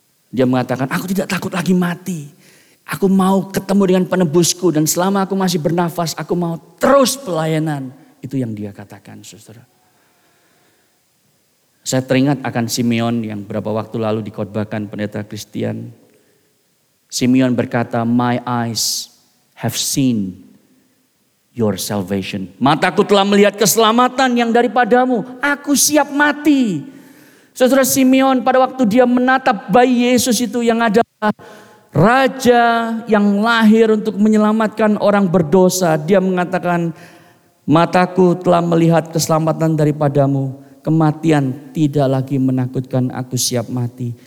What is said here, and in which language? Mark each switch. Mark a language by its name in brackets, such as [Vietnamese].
[Indonesian] Dia mengatakan, aku tidak takut lagi mati. Aku mau ketemu dengan penebusku dan selama aku masih bernafas, aku mau terus pelayanan. Itu yang dia katakan, saudara. Saya teringat akan Simeon yang beberapa waktu lalu dikhotbahkan Pendeta Christian. Simeon berkata, [English] my eyes have seen your salvation. [Indonesian] Mataku telah melihat keselamatan yang daripadamu. Aku siap mati. Saudara, Simeon pada waktu dia menatap bayi Yesus itu yang adalah Raja yang lahir untuk menyelamatkan orang berdosa, dia mengatakan, mataku telah melihat keselamatan daripadamu, kematian tidak lagi menakutkan, aku siap mati.